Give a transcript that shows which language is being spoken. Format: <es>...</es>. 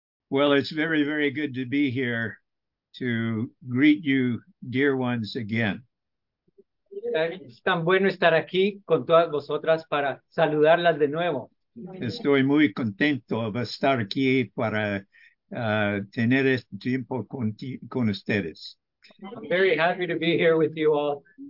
<en>Well, it's very, very good to be here to greet you, dear ones, again.</en> <es>Es tan bueno estar aquí con todas vosotras para saludarlas de nuevo. Estoy muy contento de estar aquí para tener este tiempo con ustedes.</es> <en>I'm very happy to be here with you all.</en>